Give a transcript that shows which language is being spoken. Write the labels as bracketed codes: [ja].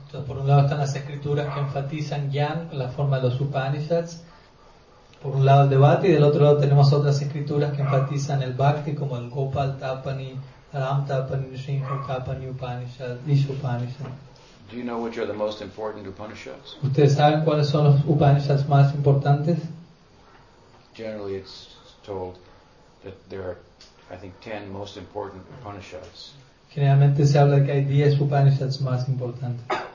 [es] Entonces, por un lado están las escrituras que enfatizan Gyan, la forma de los Upanishads. Por un lado el debate, y del otro lado tenemos otras escrituras que enfatizan el Bhakti, como el Gopal Tapani, Ram Tapani, Shringatapani, Upanishad, Ishupanishad. [en] Do you know which are the most important Upanishads? [es] ¿Ustedes saben cuáles son los Upanishads más importantes? [en] Generally, it's told that there are, I think, 10 most important Upanishads. [es] Generalmente se habla que hay 10 Upanishads más importantes.